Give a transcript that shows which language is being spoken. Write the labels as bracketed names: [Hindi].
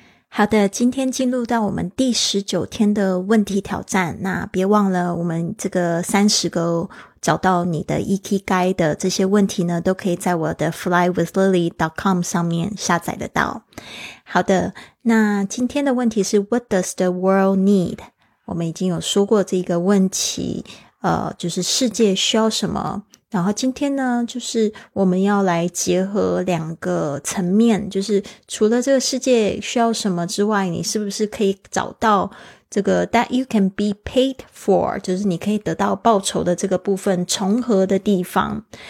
[Chinese] 好的，今天进入到我们第19天的问题挑战。那别忘了我们这个30个找到你的 Ikigai 的这些问题呢，都可以在我的 flywithlily.com 上面下载得到。好的，那今天的问题是 [English] What does the world need? [Chinese] 我们已经有说过这个问题，就是世界需要什么。然后今天呢，就是我们要来结合两个层面，就是除了这个世界需要什么之外，你是不是可以找到这个 [English] that you can be paid for， [Chinese] 就是你可以得到报酬的这个部分重合的地方。